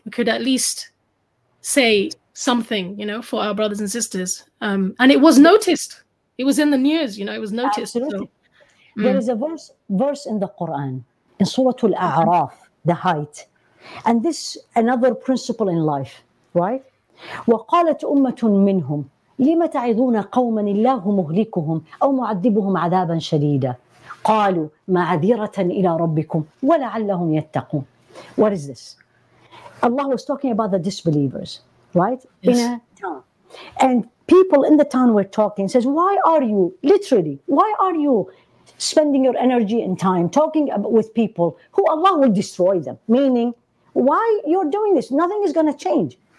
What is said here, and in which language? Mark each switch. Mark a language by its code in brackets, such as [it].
[en] We could at least say something, you know, for our brothers and sisters. And it was noticed. It was in the news, you know, it was noticed. There is a verse in the Quran, in Surah Al-A'raf, the height. And this another principle in life, right? [ar] وَقَالَتْ أُمَّةٌ مِّنْهُمْ لِمَ تَعِذُونَ قَوْمًا إِلَّهُ مُهْلِكُهُمْ أَوْ مُعَذِّبُهُمْ عَذَابًا شَدِيدًا قَالُوا مَعَذِيرَةً إِلَىٰ رَبِّكُمْ وَلَعَلَّهُمْ يَتَّقُونَ [en] What is this? Allah was talking about the disbelievers, right? Yes. In a town. And people in the town were talking, says, why are you, literally, why are you spending your energy and time talking with people who Allah will destroy them. Meaning, why you're doing this? Nothing is going to change.